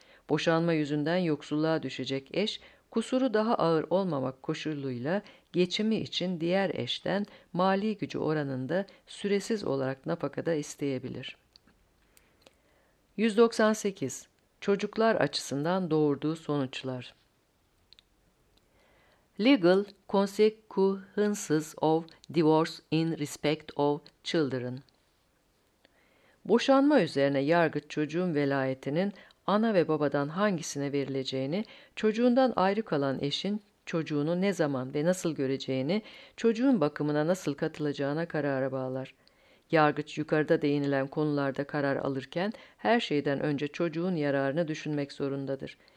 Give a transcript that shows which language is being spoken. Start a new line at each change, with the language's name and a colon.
Turkish: Boşanma yüzünden yoksulluğa düşecek eş, kusuru daha ağır olmamak koşuluyla geçimi için diğer eşten mali gücü oranında süresiz olarak nafakada isteyebilir. 198. Çocuklar açısından doğurduğu sonuçlar.
English: Legal consequences of divorce in respect of children.
Turkish: Boşanma üzerine yargıç çocuğun velayetinin ana ve babadan hangisine verileceğini, çocuğundan ayrı kalan eşin çocuğunu ne zaman ve nasıl göreceğini, çocuğun bakımına nasıl katılacağına karara bağlar. Yargıç yukarıda değinilen konularda karar alırken her şeyden önce çocuğun yararını düşünmek zorundadır.